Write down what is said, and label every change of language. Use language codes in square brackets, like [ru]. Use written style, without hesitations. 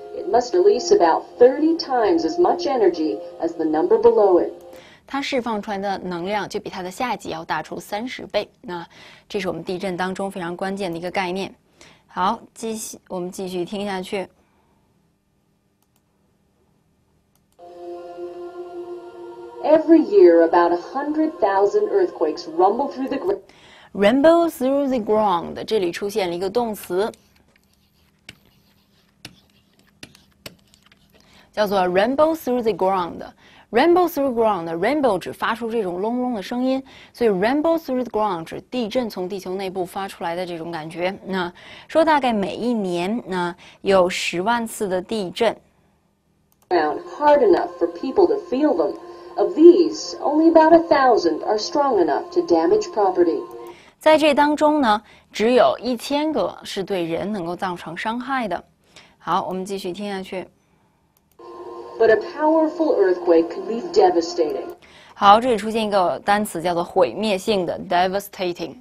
[en] Must release about 30 times as much energy as the number below it. [zh] 它释放出来的能量就比它的下级要大出30倍。那这是我们地震当中非常关键的一个概念。好，我们继续听下去。 [en] Every year, about 100,000 earthquakes rumble through the rumble through the ground. [zh] 这里出现了一个动词。叫做 [en] rumble through the ground， rumble through ground， [zh] rumble 指发出这种隆隆的声音，所以 [en] rumble through the ground [zh] 指地震从地球内部发出来的这种感觉。那说大概每一年那有10万次的地震。 [en] Hard enough for people to feel them. Of these, only about 1,000 are strong enough to damage property. [zh] 在这当中呢，只有1000个是对人能够造成伤害的。好，我们继续听下去。 [en] But a powerful earthquake can be devastating. [zh] 好，这里出现一个单词叫做毁灭性的 devastating。